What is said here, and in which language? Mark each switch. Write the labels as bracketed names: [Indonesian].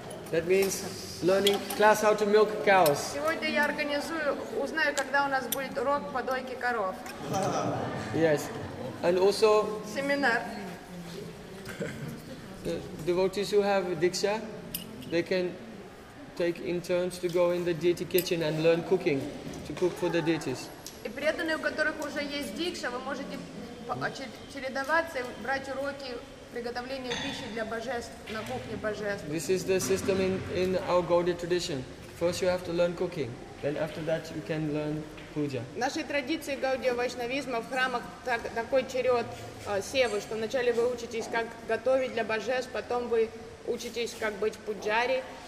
[English] That means learning class how to milk cows. [Russian] Сегодня я организую, узнаю, когда у нас будет урок по дойке коров. [English] Yes, and also seminar. Devotees who have diksha, they can take in turns to go in the deity kitchen and learn cooking, to cook for the deities. [Russian] И преданные, у которых уже есть дикша, вы можете чередоваться, брать уроки приготовления пищи для божеств на кухне божеств. [English] This is the system in our Gaudiya tradition. First you have to learn cooking, then after that you can learn puja. [Russian] В нашей традиции Гаудия вайшнавизма в храмах такой черед севы, что вначале вы учитесь как готовить для божеств, потом вы учитесь как быть пуджари.